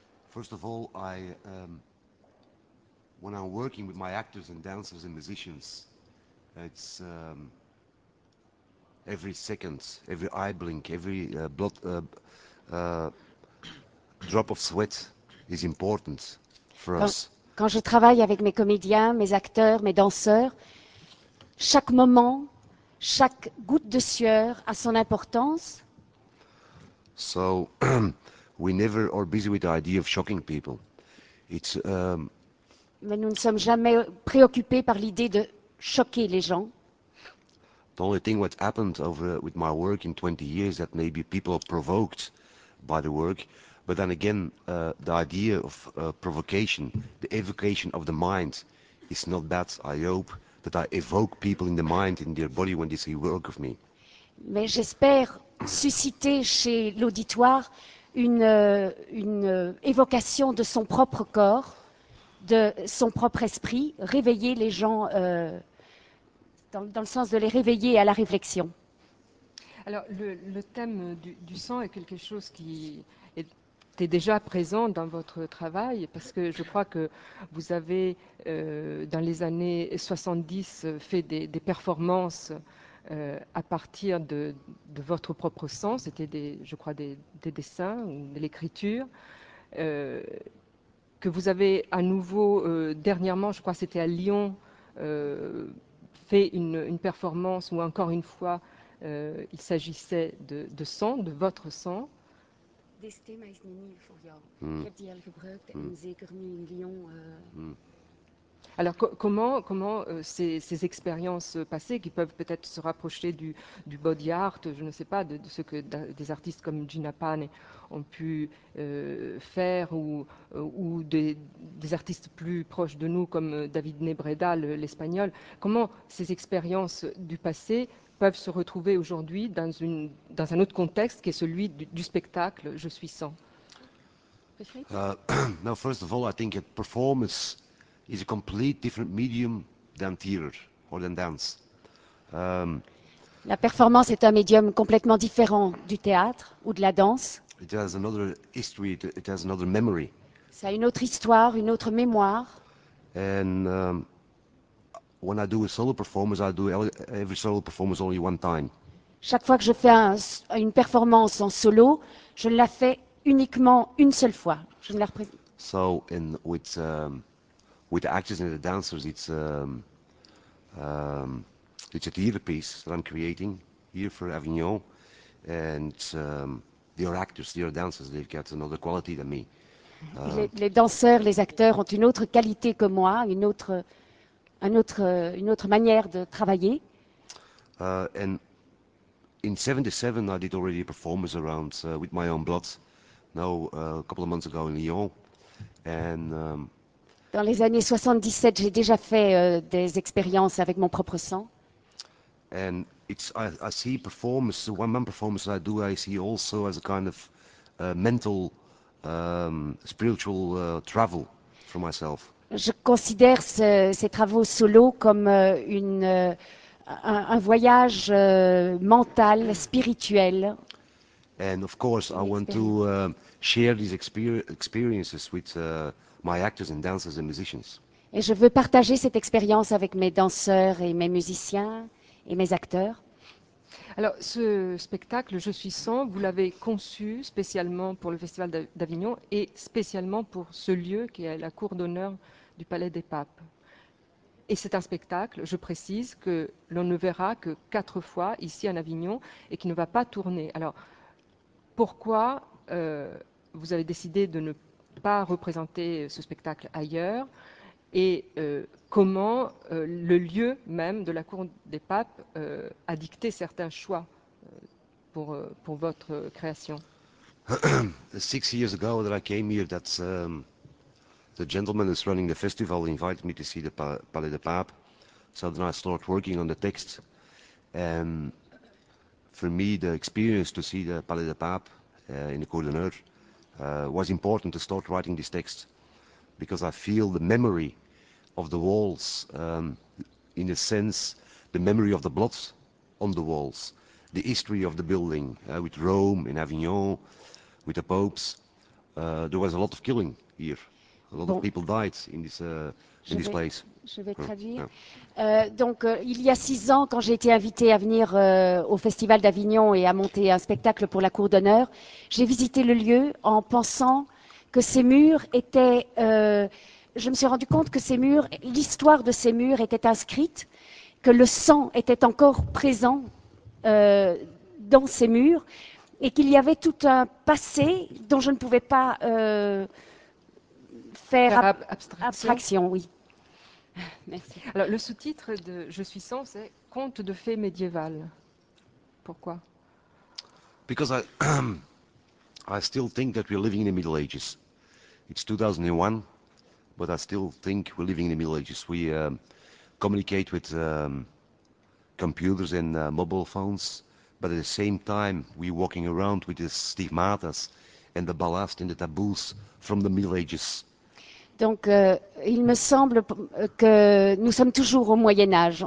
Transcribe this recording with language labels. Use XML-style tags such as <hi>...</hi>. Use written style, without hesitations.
<en>First of all, I when I'm working with my actors and dancers and musicians, it's every second, every eye blink, every blood drop of sweat is important for us.</en> <fr>Quand je travaille avec mes comédiens, mes acteurs, mes danseurs, chaque moment, chaque goutte de sueur a son importance.</fr> <en>So we never are busy with the idea of shocking people. It's</en> <fr>mais nous ne sommes jamais préoccupés par l'idée de choquer les gens.</fr> <en>The only thing what's happened over with my work in 20 years that maybe people are provoked by the work, but then again the idea of provocation, the evocation of the mind is not bad, I hope. That I evoke people in the mind, in their body, when they see work of me.</en> <fr>Mais j'espère susciter chez l'auditoire une évocation de son propre corps, de son propre esprit, réveiller les gens dans le sens de les réveiller à la réflexion. Alors le thème du sang est quelque chose qui était déjà présent dans votre travail, parce que je crois que vous avez, dans les années 70, fait des performances à partir de votre propre sang. C'était, je crois, des dessins ou de l'écriture. que vous avez à nouveau, dernièrement, je crois que c'était à Lyon, fait une performance où encore une fois, il s'agissait de sang, de votre sang.</fr> <nl>Dit thema is niet nieuw voor jou. Je hebt die al gebruikt en zeker nu in Lyon.</nl> <fr>Alors comment ces expériences passées, qui peuvent peut-être se rapprocher du body art, je ne sais pas, de ce que des artistes comme Gina Pane ont pu faire, ou des artistes plus proches de nous comme David Nebreda, l'Espagnol, comment ces expériences du passé peuvent se retrouver aujourd'hui dans un autre contexte qui est celui du spectacle Je suis sans.</fr> <en>Now, first of all, I think that performance is a complete different medium than theater or than dance.</en> <fr>La performance est un médium complètement différent du théâtre ou de la danse.</fr> <en>It has another history, it has another memory.</en> <fr>Ça a une autre histoire, une autre mémoire.</fr> <en>And when I do a solo performance, I do every solo performance only one time.</en> <fr>Chaque fois que je fais une performance en solo, je la fais uniquement une seule fois. Je ne la représente.</fr> <en>So in with the actors and the dancers, it's a theater piece that I'm creating here for Avignon, and they are actors, they are dancers. They've got another quality than me.</en> <fr>Les danseurs, les acteurs ont une autre qualité que moi, une autre manière de travailler.</fr> <en>And in 77, I did already a performance around with my own blood. Now a couple of months ago in Lyon, and</en> <fr>dans les années 77, j'ai déjà fait des expériences avec mon propre sang.</fr> <en>And it's I see performance, one man performance I do, I see also as a kind of mental spiritual travel for myself.</en> <fr>Je considère ces travaux solo comme un voyage mental, spirituel.</fr> <en>And of course, I want to share these experiences with my actors and dancers and musicians.</en> <fr>Et je veux partager cette expérience avec mes danseurs et mes musiciens et mes acteurs. Alors, ce spectacle, Je suis sans, vous l'avez conçu spécialement pour le Festival d'Avignon et spécialement pour ce lieu qui est la cour d'honneur du Palais des Papes. Et c'est un spectacle, je précise, que l'on ne verra que 4 fois ici en Avignon et qui ne va pas tourner. Alors, pourquoi vous avez décidé de ne pas représenter ce spectacle ailleurs, et comment le lieu même de la cour des papes a dicté certains choix pour votre création.</fr> <en>Six years ago that I came here, that's the gentleman that's running the festival invited me to see the Palais des Papes. So then I started working on the text, and for me the experience to see the Palais des Papes in the cour d'honneur was important to start writing this text, because I feel the memory of the walls, in a sense, the memory of the blood on the walls, the history of the building with Rome in Avignon, with the popes. There was a lot of killing here. A lot of people died in this in this place.</en> <fr>Je vais traduire. Il y a 6 ans, quand j'ai été invitée à venir au Festival d'Avignon et à monter un spectacle pour la Cour d'honneur, j'ai visité le lieu en pensant que ces murs étaient... je me suis rendu compte que ces murs, l'histoire de ces murs était inscrite, que le sang était encore présent dans ces murs et qu'il y avait tout un passé dont je ne pouvais pas faire abstraction, oui. Merci. Alors, le sous-titre de Je suis sans, c'est Conte de fées médiévales. Pourquoi?</fr> <en>Because I still think that we're living in the Middle Ages. It's 2001, but I still think we're living in the Middle Ages. We communicate with computers and mobile phones, but at the same time, we're walking around with the stigmatas and the ballast and the taboos from the Middle Ages.</en> <fr>Donc, il me semble que nous sommes toujours au Moyen-Âge.</fr>